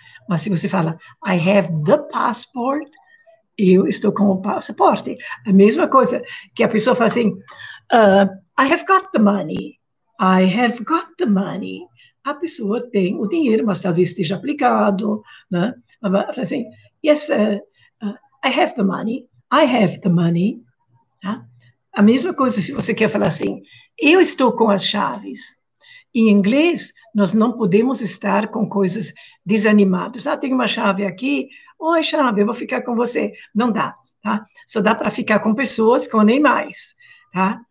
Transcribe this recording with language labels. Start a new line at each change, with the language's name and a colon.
Portuguese: Mas se você fala,
English: I have the passport,
Portuguese: eu estou com o passaporte. A mesma coisa que a pessoa fala assim,
English: I have got the money. I have got the money.
Portuguese: A pessoa tem o dinheiro, mas talvez esteja aplicado. Né? Mas fala assim,
English: yes, I have the money. I have the money.
Portuguese: Tá? A mesma coisa se você quer falar assim, eu estou com as chaves. Em inglês, nós não podemos estar com coisas desanimadas. Ah, tem uma chave aqui. Oi, chave, eu vou ficar com você. Não dá, tá? Só dá para ficar com pessoas, com animais, tá?